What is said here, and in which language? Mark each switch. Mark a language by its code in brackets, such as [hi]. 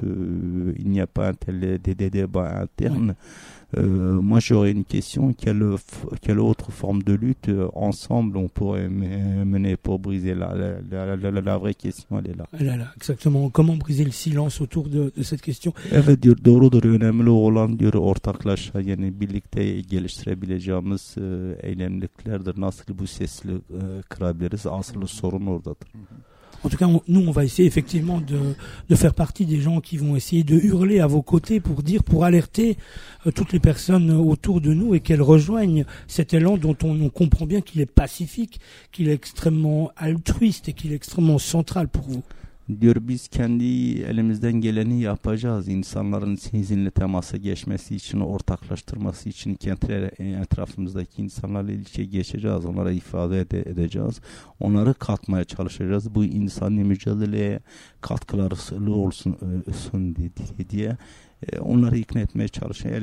[fr] Il n'y a pas un tel des débats internes. Moi, j'aurais une question. Quelle autre forme de lutte ensemble on pourrait mener pour briser la vraie question, elle est là. Elle est là, exactement. Comment briser le silence autour de cette question ? [tr] Evet, diyor, doğrudur, önemli olan diyor, ortaklaşa, yani birlikte geliştirebileceğimiz eylemliklerdir. Nasıl bu sesli kırabiliriz? Asıl sorun oradadır. [fr] En tout cas, nous, on va essayer effectivement de faire partie des gens qui vont essayer de hurler à vos côtés pour dire, pour alerter toutes les personnes autour de nous et qu'elles rejoignent cet élan dont on comprend bien qu'il est pacifique, qu'il est extrêmement altruiste et qu'il est extrêmement central pour vous. [tr] Diyor, biz kendi elimizden geleni yapacağız. İnsanların sizinle temasa geçmesi için, ortaklaştırması için etrafımızdaki insanlarla ilişkiye geçeceğiz. Onlara ifade edeceğiz. Onları katmaya çalışacağız. Bu insani mücadeleye katkıları olsun diye onları ikna etmeye çalışacağız.